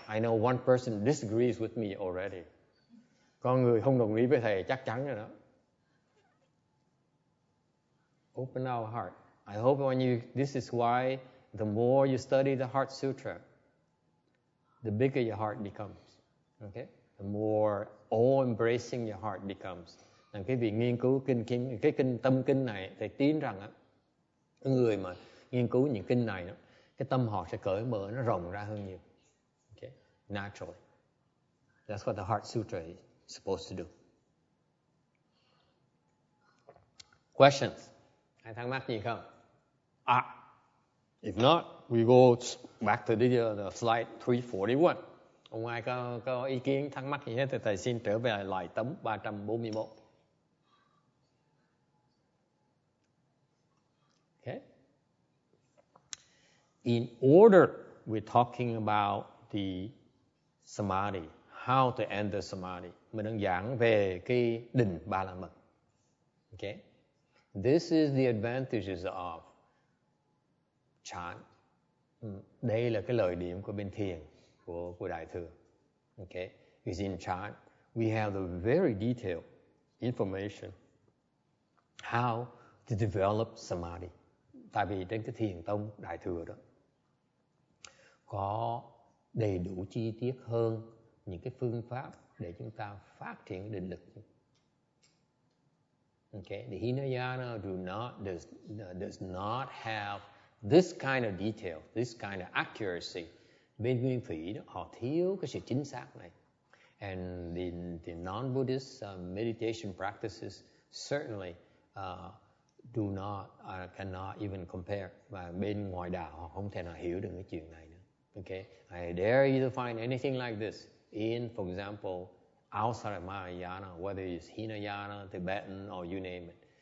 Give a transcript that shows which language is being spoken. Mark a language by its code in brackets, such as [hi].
[en] I know one person disagrees with me already. [vi] Con người không đồng ý với thầy chắc chắn rồi đó. [en] Open our heart. I hope when this is why the more you study the Heart Sutra, the bigger your heart becomes. Okay? The more all-embracing your heart becomes. [vi] Nên cái việc nghiên cứu cái kinh tâm kinh này, thầy tin rằng á, người mà nghiên cứu những kinh này, cái tâm họ sẽ cởi mở, nó rộng ra hơn nhiều. [en] Okay? Naturally. That's what the Heart Sutra is supposed to do. Questions? [vi] Ai thắc mắc gì không? [en] If not, we go back to the slide 341. [vi] Ông ai có ý kiến thắc mắc gì hết thì thầy xin trở về lại tấm 341. [en] In order, we're talking about the samadhi, how to enter samadhi. [vi] Mình đang giảng về cái định ba la mật. Okay? [en] This is the advantages of chan. [vi] Đây là cái lợi điểm của bên thiền của đại thừa. [en] Okay? Because in chan, we have the very detailed information how to develop samadhi. [vi] Tại vì trên cái thiền tông đại thừa đó có đầy đủ chi tiết hơn những cái phương pháp để chúng ta phát triển định lực. [en] Okay, the Hinayana does not have this kind of detail, this kind of accuracy. [vi] Bên Nguyên Thủy họ thiếu cái sự chính xác này. [en] And the non-Buddhist meditation practices certainly cannot even compare. [vi] Và bên ngoài đạo họ không thể nào hiểu được cái chuyện này nữa. [en] Okay, I dare you to find anything like this in, for example, outside of Mahayana, whether it's Hinayana, Tibetan, or you name it.